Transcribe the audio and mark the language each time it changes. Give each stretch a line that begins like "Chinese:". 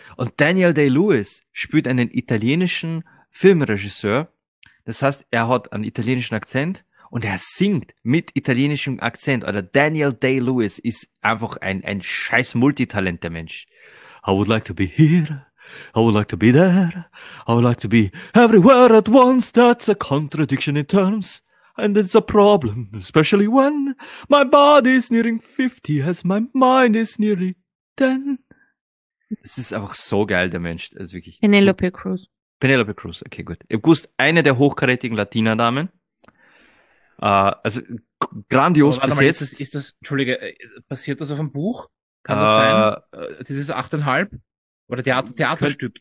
German: Und Daniel Day-Lewis spielt einen italienischen Filmregisseur, das heißt, er hat einen italienischen Akzent und er singt mit italienischem Akzent. Oder Daniel Day-Lewis ist einfach ein scheiß Multitalent, der Mensch.
English: I would like to be here. I would like to be there. I would like to be everywhere at once. That's a contradiction in terms. And it's a problem, especially when my body is nearing 50 as my mind is nearly 10.
German: Es ist einfach so geil, der Mensch. Also wirklich. Penelope Cruz. Penelope Cruz, okay, gut. Ich wusste, eine der hochkarätigen Latina-Damen. Also Aber grandios warte mal, besetzt. ist das, entschuldige, basiert das auf einem Buch? Kann das sein? Dieses 8,5? Oder Theaterstück?